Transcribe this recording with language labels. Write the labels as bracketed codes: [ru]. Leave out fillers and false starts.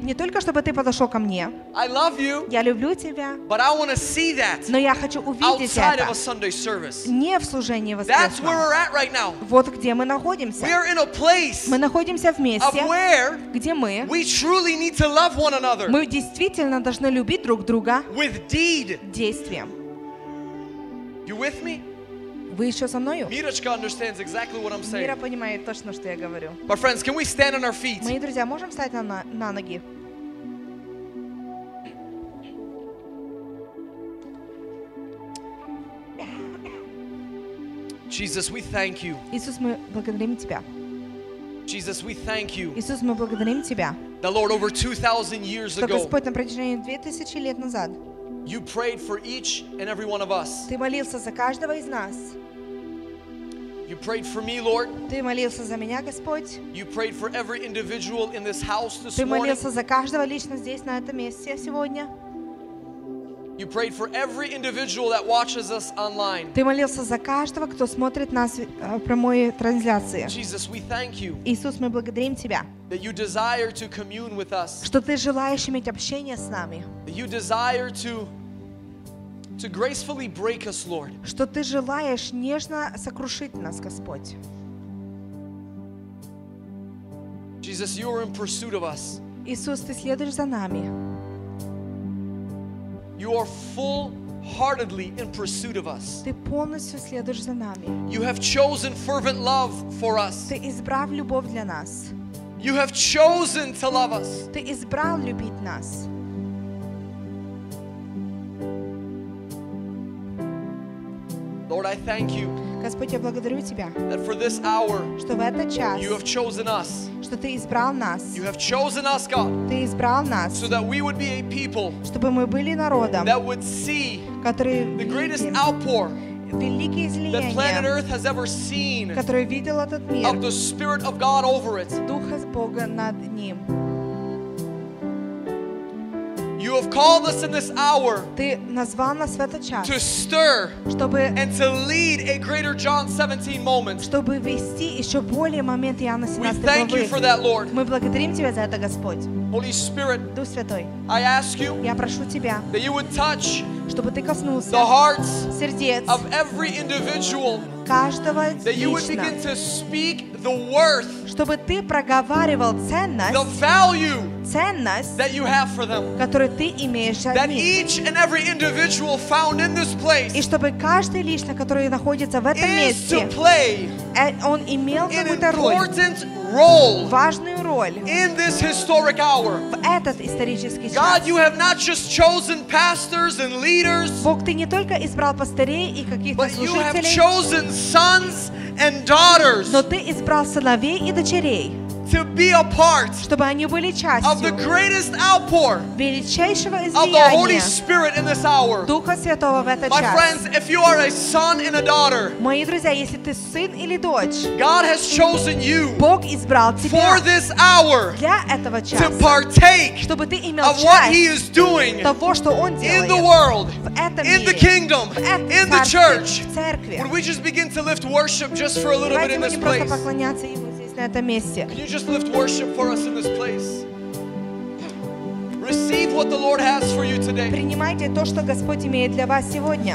[ru] не только чтобы ты подошел ко мне, [en] I love you, [ru] я люблю тебя, [en] but I want to see that, [ru] но я хочу увидеть [en] outside [ru] это [en] of a Sunday service, [ru] не в служении воскресном. [en] That's where we're at right now. [ru] Вот где мы находимся. [en] We are in a place, [ru] мы находимся в месте, [en] of where, [ru] где мы, [en] we truly need to love one another, [ru] мы действительно должны любить друг друга, [en] with deed, [ru] действием. [en] You with me? [ru] Вы еще со мною? [en] Мирочка understands exactly what I'm saying. [ru] Мира понимает точно, что я говорю. [en] My friends, can we stand on our feet? [ru] Мои друзья, можем встать на ноги? [en] Jesus, we thank you. [ru] Иисус, мы благодарим тебя. [en] Jesus, we thank you. [ru] Иисус, мы благодарим тебя. [en] The Lord over 2,000 years ago. [ru] Что Господь на протяжении 2000 лет назад. [en] You prayed for each and every one of us. [ru] Ты молился за каждого из нас. [en] You prayed for me, Lord. [ru] Ты молился за меня, Господь. [en] You prayed for every individual in this house this morning. [ru] Ты молился за каждого лично здесь на этом месте сегодня. [en] You prayed for every individual that watches us online. [ru] Ты молился за каждого, кто смотрит нас в прямой трансляции. [en] Jesus, we thank you. [ru] Иисус, мы благодарим тебя. [en] That you desire to commune with us. [ru] Что ты желаешь иметь общение с нами. [en] That you desire to gracefully break us, Lord. [ru] Что ты желаешь нежно сокрушить нас, Господь. [en] Jesus, you are in pursuit of us. [ru] Иисус, ты следуешь за нами. [en] You are full-heartedly in pursuit of us. [ru] Ты полностью следуешь за нами. [en] You have chosen fervent love for us. [ru] Ты избрал любовь для нас. [en] You have chosen to love us. [ru] Ты избрал любить нас. [en] Lord, I thank you. [ru] Господь, я благодарю тебя. [en] That for this hour, [ru] что в этот час, [en] you have chosen us. [ru] Что ты избрал нас. [en] You have chosen us, God. [ru] Ты избрал нас. [en] So that we would be a people, [ru] чтобы мы были народом, [en] that would see, [ru] которые [en] the greatest outpour, [ru] великие излияния, [en] that planet Earth has ever seen, [ru] которые видел этот мир, [en] of the Spirit of God over it. [ru] Духа Бога над ним. [en] You have called us in this hour to stir [ru] чтобы, [en] and to lead a greater John 17 moment. [ru] Чтобы вести еще более момент Иоанна 17 главы. [en] We thank you for that, Lord. [ru] Мы благодарим тебя за это, Господь. [en] Holy Spirit, [ru] Дух Святой, [en] I ask you, [ru] я прошу тебя, [en] that you would touch, [ru] чтобы ты коснулся, [en] the hearts, [ru] сердец, [en] of every individual, [ru] каждого, [en] that you would begin to speak the worth, [ru] чтобы ты проговаривал ценность, [en] the value, [ru] ценность, [en] that you have for them, [ru] которую ты имеешь для них, [en] that each and every individual found in this place, [ru] и чтобы каждый лично, который находится в этом месте, [en] is to play, [ru] он имел какую-то роль. Важную роль [en] in this historic hour. [ru] В этот исторический час. [en] God, you have not just chosen pastors and leaders, [ru] Бог, ты не только избрал пастырей и каких-то служителей, [en] but you have chosen sons and daughters, [ru] но ты избрал сыновей и дочерей, [en] to be a part, [ru] чтобы они были частью, [en] of the greatest outpour, [ru] величайшего излияния, [en] of the Holy Spirit in this hour. [ru] Духа Святого в этот [en] My [ru] час. [en] My friends, if you are a son and a daughter, [ru] мои друзья, если ты сын или дочь, [en] God has chosen you, [ru] Бог избрал тебя, [en] for this hour, [ru] для этого часа, [en] to partake, [ru] чтобы ты имел часть, [en] of what He is doing, [ru] того, что Он делает, [en] in the world, [ru] в этом [en] in [ru] мире, [en] the kingdom, [ru] в этом [en] in the church. [ru] Церкви. [en] Would we just begin to lift worship just for a little [ru] Давайте [en] bit in this place? [ru] Просто поклоняться Ему. [en] Can you just lift worship for us in this place? Receive what the Lord has for you today. [ru] Принимайте то, что Господь имеет для вас сегодня.